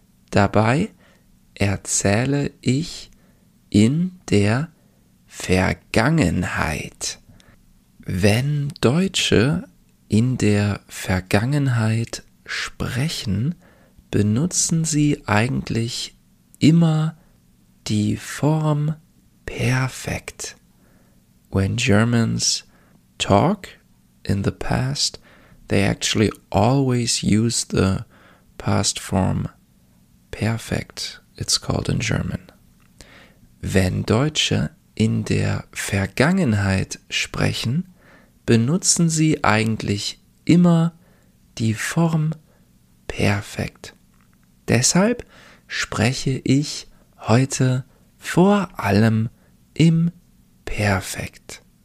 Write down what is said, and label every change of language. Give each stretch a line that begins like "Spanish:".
German: Dabei erzähle ich in der Vergangenheit. Wenn Deutsche in der Vergangenheit sprechen, benutzen sie eigentlich immer die Form perfekt.
English: When Germans talk in the past, they actually always use the past form perfect. It's called in German.
German: Wenn Deutsche in der Vergangenheit sprechen, benutzen sie eigentlich immer die Form perfekt. Deshalb spreche ich heute vor allem im Perfekt.